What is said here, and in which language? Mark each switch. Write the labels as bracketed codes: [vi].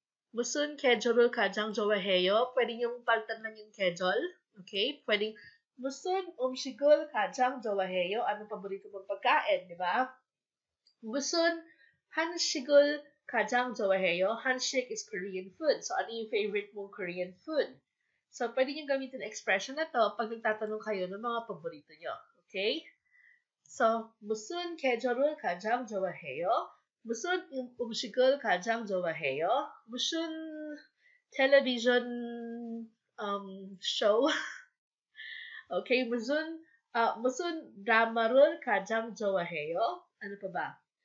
[ko] 무슨 계절을 가장 좋아해요? 그냥 [tl] yung [ko] 빨간 [tl] lang yung [ko] 계절. [tl] Okay? [ko] 그냥 무슨 음식을 가장 좋아해요? 아니 [tl] paborito mong pagkain, 'di ba? [ko] 무슨 한식을 가장 좋아해요? [tl] 한식 [en] is Korean food. [tl] So ano yung favorite mong Korean food? So pwede niyo gamitin expression na to pag nagtatanong kayo ng mga paborito niyo. [en] Okay? [ko] So 무슨 계절을 가장 좋아해요? 무슨 음식을 가장 좋아해요? 무슨 텔레비전 쇼? Okay, 무슨 드라마를 가장 좋아해요? 아니 봐봐.